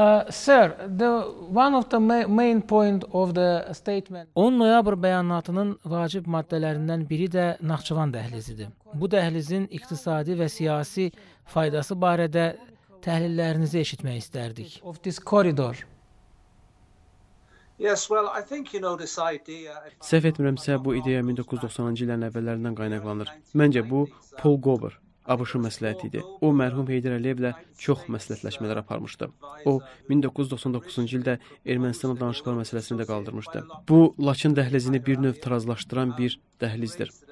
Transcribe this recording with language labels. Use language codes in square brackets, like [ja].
[en] Sir, the one of the main point of the statement. [az] 10 noyabr bəyanatının vacib maddələrindən biri də Naxçıvan dəhlizidir. Bu dəhlizin iqtisadi və siyasi faydası barədə təhlillərinizi eşitmək istərdik. [en] Of this corridor. Yes, well, I think you know this idea. [az] Səhv etmirəmsə, bu ideya 1990-cı illərin əvvəllərindən qaynaqlanır. Məncə bu Paul Gober ABŞ məsləhəti idi. O, mərhum Heydər Əliyevlə çox məsləhətləşmələr aparmışdı. O, 1999-cu ildə Ermənistanla danışıqlar məsələsini də qaldırmışdı. Bu, Laçın dəhlizini bir növ tarazlaşdıran bir dəhlizdir.